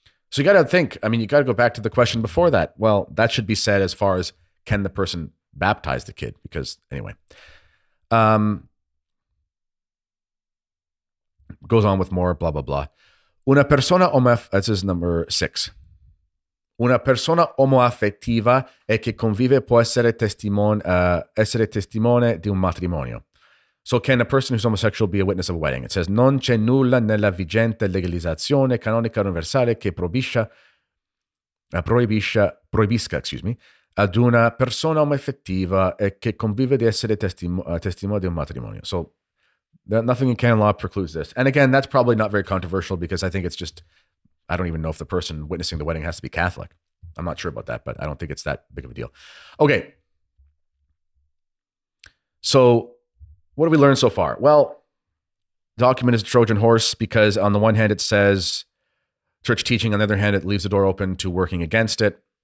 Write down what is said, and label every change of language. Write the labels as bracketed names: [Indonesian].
[English] So you got to think, I mean, you got to go back to the question before that. Well, that should be said as far as can the person baptize the kid? Because anyway, goes on with more, blah, blah, blah. [Italian] Una persona omoaffettiva, [English] this is number six. [Italian] Una persona omoaffettiva e che convive può essere testimone di un matrimonio. [English] So can a person who's homosexual be a witness of a wedding? It says, [Italian] non c'è nulla nella vigente legalizzazione canonica universale che proibisca ad una persona omoaffettiva e che convive di essere testimone di un matrimonio. [English] So nothing in canon law precludes this. And again, that's probably not very controversial because I think it's just I don't even know if the person witnessing the wedding has to be Catholic. I'm not sure about that, but I don't think it's that big of a deal. Okay. So what have we learned so far? Well, the document is a Trojan horse because on the one hand, it says church teaching. On the other hand, it leaves the door open to working against it.